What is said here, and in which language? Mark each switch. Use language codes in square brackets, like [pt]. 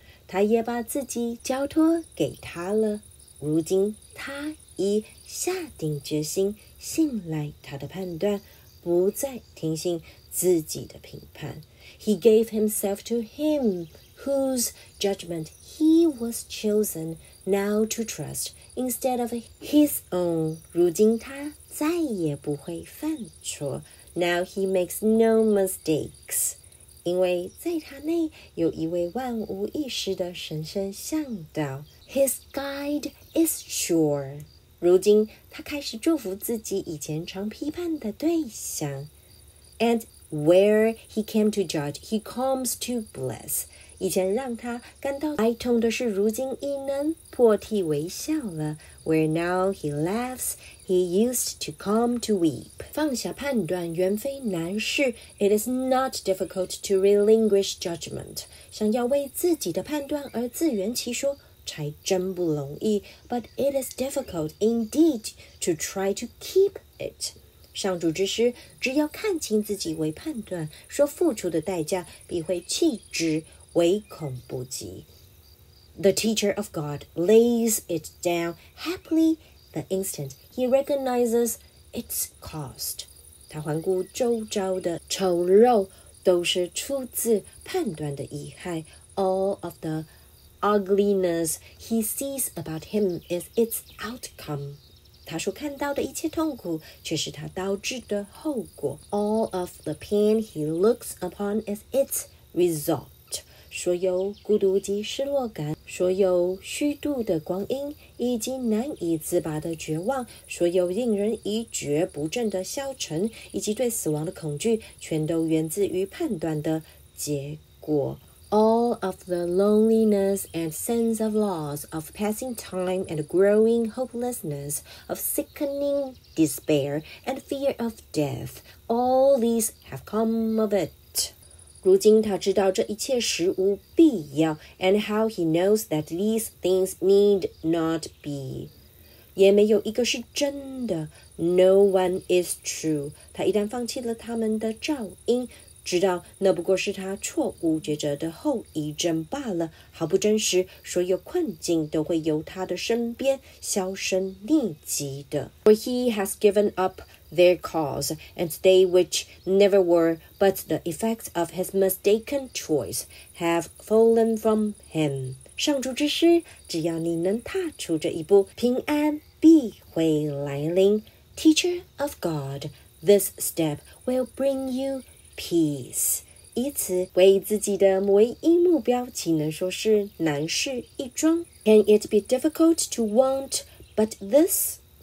[zh] 他也把自己交托给他了。如今他已下定决心信赖他的判断，不再听信自己的评判。 [en] He gave himself to him whose judgment he was chosen now to trust instead of his own. [zh] 如今他再也不会犯错。 [en] Now he makes no mistakes. [zh] 因为在他内有一位万无一失的神圣向导。 [en] His guide is sure. [zh] 如今他开始祝福自己以前常批判的对象。 [en] And where he came to judge, he comes to bless. [zh] 以前让他感到哀痛的是如今已能破涕为笑了。 [en] Where now he laughs, he used to come to weep. [zh] 放下判断原非难事。 [en] It is not difficult to relinquish judgment. [zh] 想要为自己的判断而自圆其说才真不容易。 [en] But it is difficult indeed to try to keep it. [zh] 上主之师只要看清自己为判断说付出的代价必会弃之唯恐不及。 [en] The teacher of God lays it down happily the instant he recognizes its cost. [zh] 他环顾周遭的丑陋都是出自判断的遗害。 [en] All of the ugliness he sees about him is its outcome. [zh] 他所看到的一切痛苦却是他导致的后果。 [en] All of the pain he looks upon is its result. [zh] 所有孤独及失落感，所有虚度的光阴，以及难以自拔的绝望，所有令人一蹶不振的消沉，以及对死亡的恐惧，全都源自于判断的结果。 [en] All of the loneliness and sense of loss, of passing time and growing hopelessness, of sickening despair and fear of death, all these have come of it. [zh] 如今他知道这一切实无必要 [en] and how he knows that these things need not be. [zh] 也没有一个是真的 [en] no one is true. [zh] 他一旦放弃了他们的照应知道那不过是他错误觉者的后遗症罢了毫不真实所有困境都会由他的身边销声匿迹的。 [en] For he has given up their cause, and they which never were but the effects of his mistaken choice have fallen from him. [zh] 上主之师只要你能踏出这一步平安必会来临。 [en] Teacher of God, this step will bring you peace. [zh] 以此为自己的唯一目标岂能说是难事一桩。 [en] Can it be difficult to want but this?